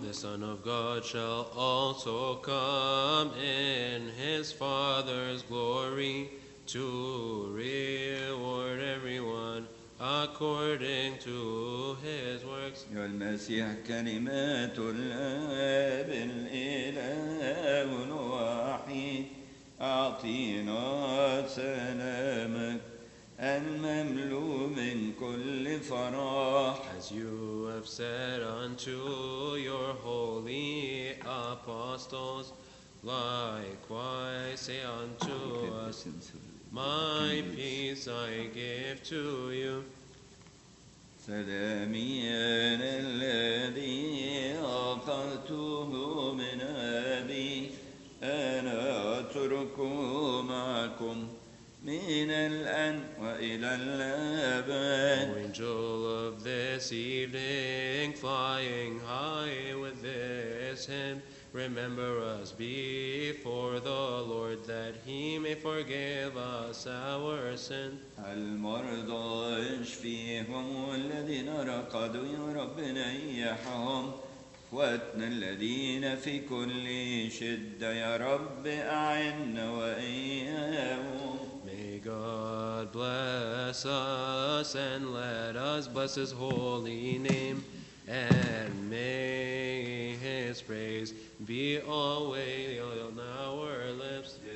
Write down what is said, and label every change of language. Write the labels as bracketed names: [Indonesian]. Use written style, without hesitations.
[English] The Son of God shall also come in his Father's glory to reward everyone according to his works. [Arabic] يا المسيح كلمة الأب الإله الوحيد أعطينا سلامك المملوء من كل فرح. [English] As you have said unto your holy apostles, likewise say unto us, my peace I give to you. [Arabic] سلامي أنا الذي أخذته من أبي أنا أترك معكم من الآن وإلى الأبد. [English] O angel of this evening, flying high with this hymn, remember us before the Lord that he may forgive us our sin. [Arabic] المرضى اشفيهم والذين رقدوا يا ربنا ايحهم واتنا الذين في كل شدة يا رب اعنا وإياهم. [English] May God bless us and let us bless his holy name, and may his praise be always on our lips.